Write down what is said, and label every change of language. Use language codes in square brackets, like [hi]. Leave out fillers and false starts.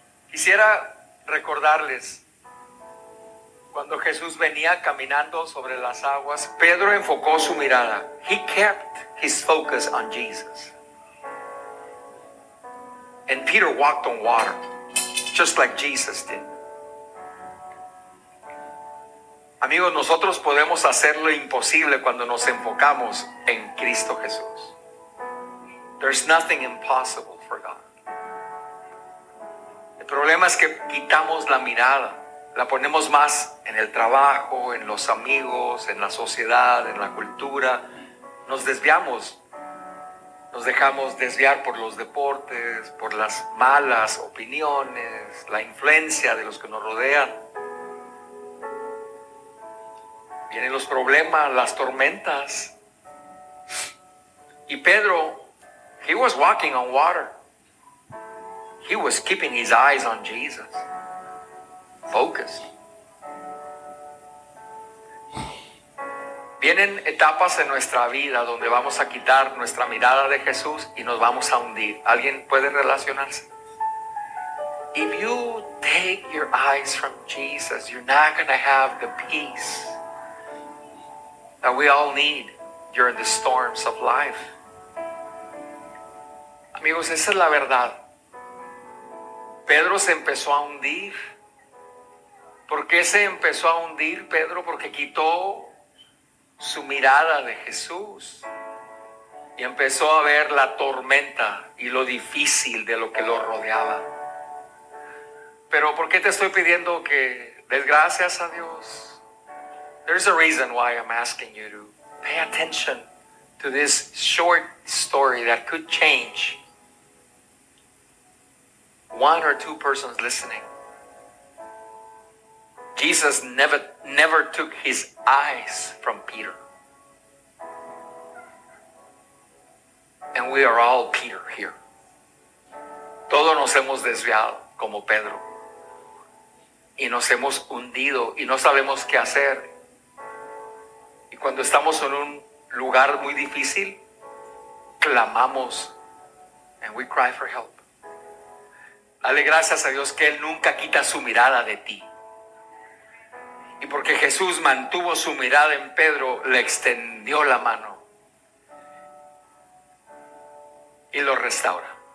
[es] Quisiera recordarles, cuando Jesús venía caminando sobre las aguas, Pedro enfocó su mirada, [en] he kept his focus on Jesus, and Peter walked on water, just like Jesus did. [es] Amigos, nosotros podemos hacer lo imposible cuando nos enfocamos en Cristo Jesús. [en] There's nothing impossible for God. [es] El problema es que quitamos la mirada, la ponemos más en el trabajo, en los amigos, en la sociedad, en la cultura. Nos desviamos, nos dejamos desviar por los deportes, por las malas opiniones, la influencia de los que nos rodean. Vienen los problemas, las tormentas. [en] Y Pedro, he was walking on water. He was keeping his eyes on Jesus. Focused. [es] Vienen etapas en nuestra vida donde vamos a quitar nuestra mirada de Jesús y nos vamos a hundir. ¿Alguien puede relacionarse? [en] If you take your eyes from Jesus, you're not going to have the peace that we all need during the storms of life. [es] Amigos, esa es la verdad. Pedro se empezó a hundir. ¿Por qué se empezó a hundir Pedro? Porque quitó su mirada de Jesús y empezó a ver la tormenta y lo difícil de lo que lo rodeaba. Pero ¿por qué te estoy pidiendo que des gracias a Dios? [en] There's a reason why I'm asking you to pay attention to this short story that could change one or two persons listening. Jesus never took his eyes from Peter. And we are all Peter here. [es] Todos nos hemos desviado como Pedro. Y nos hemos hundido y no sabemos qué hacer. Y cuando estamos en un lugar muy difícil, clamamos, [en] and we cry for help. [es] Dale gracias a Dios que Él nunca quita su mirada de ti. Y porque Jesús mantuvo su mirada en Pedro, le extendió la mano y lo restaura.